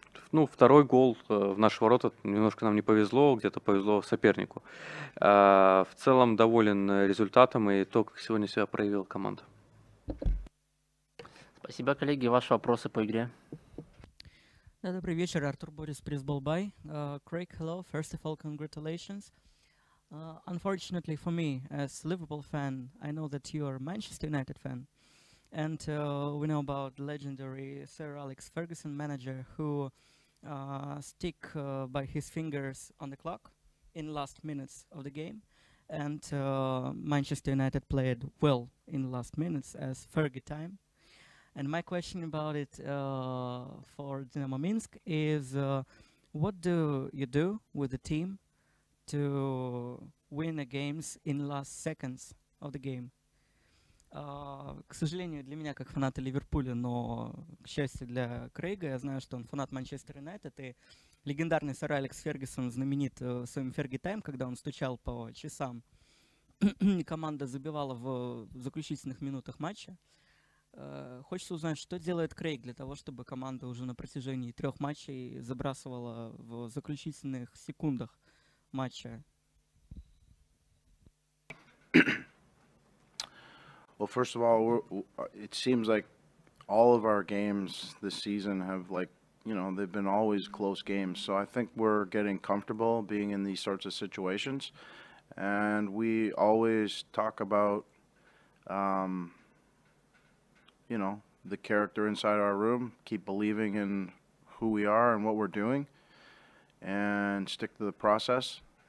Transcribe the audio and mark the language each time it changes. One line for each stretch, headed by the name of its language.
Russian: Ну, второй гол в наши ворота немножко нам не повезло, где-то повезло сопернику. В целом доволен результатом и то, как сегодня себя проявила команда. Спасибо, коллеги. Ваши вопросы по игре. Да, добрый вечер. Артур Борис, Пресс-Балбай.
English: Крэйг, hello. First of all, congratulations. Unfortunately for me, as Liverpool fan, I know that you are Manchester United fan. And we know about legendary Sir Alex Ferguson, manager who stick by his fingers on the clock in last minutes of the game. And Manchester United played well in last minutes as Fergie time. And my question about it for Dynamo Minsk is, what do you do with the team to win the games in last seconds of the game?
Russian: К сожалению, для меня, как фаната Ливерпуля, но, к счастью, для Крэйга, я знаю, что он фанат Манчестер Юнайтед, и легендарный сэр Алекс Фергюсон знаменит своим Ферги Тайм, когда он стучал по часам, и команда забивала в заключительных минутах матча. Хочется узнать, что делает Крэйг для того, чтобы команда уже на протяжении трех матчей забрасывала в заключительных секундах матча.
English: Well, first of all, it seems like all of our games this season have, like, you know, they've been always close games. So I think we're getting comfortable being in these sorts of situations. And we always talk about, you know, the character inside our room, keep believing in who we are and what we're doing, and stick to the process.